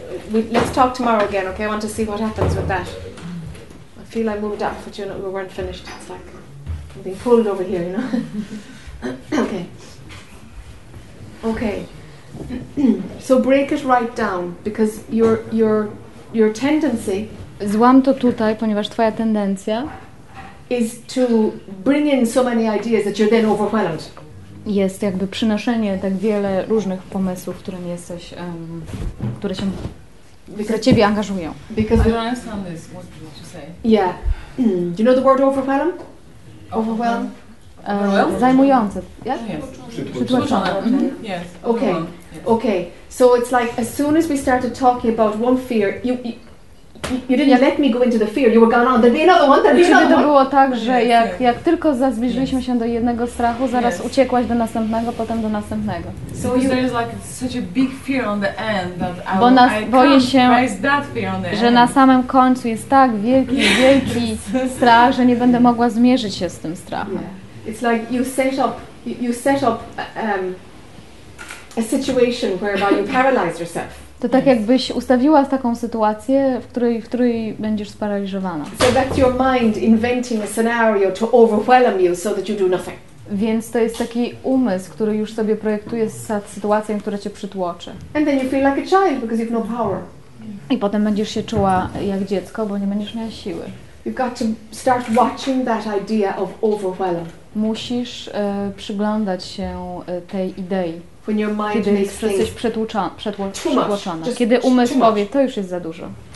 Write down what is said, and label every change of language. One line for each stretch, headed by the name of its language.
English: Let's talk tomorrow again, okay? I want to see what happens with that. I feel I moved up, but you know, we weren't finished. It's like I'm being pulled over here, you know? Okay. Okay. So break it right down, because your tendency...
Polish: Złam to tutaj, ponieważ twoja tendencja...
English: is to bring in so many ideas that you're then overwhelmed.
Polish: Jest jakby przynoszenie tak wiele różnych pomysłów, którym jesteś, które się... Które ciebie angażują.
English: Because I don't understand this. What did you say? Yeah. Do you know the word overwhelm? Overwhelm.
Polish: Zajmujące. Yeah.
English: Yes.
Polish: Przytłoczone.
English: Yes. Okay. Yes. Okay. So it's like as soon as we started talking about one fear, you didn't let me go into the fear. You were gone on. There'd be another one. There'd be another one.
Polish: To było tak, że jak tylko zbliżyliśmy się do jednego strachu, zaraz uciekłaś do następnego, potem do następnego.
English: So there is like such a big fear on the end that I
Polish: boję się, że na samym końcu jest tak wielki strach, że nie będę mogła zmierzyć się z tym strachem.
English: It's like you set up a situation whereby you paralyze yourself.
Polish: To tak jakbyś ustawiła taką sytuację, w której będziesz sparaliżowana.
English: So that's your mind inventing a scenario to overwhelm you so that you do nothing.
Polish: Więc to jest taki umysł, który już sobie projektuje sytuację, która cię przytłoczy.
English: And then you feel like a child because you've no power.
Polish: I potem będziesz się czuła jak dziecko, bo nie będziesz miała siły.
English: You've got to start watching that idea of overwhelm.
Polish: Musisz przyglądać się tej idei.
English: When your mind
Polish: kiedy jesteś przytłoczona, kiedy umysł powie, to już jest za dużo.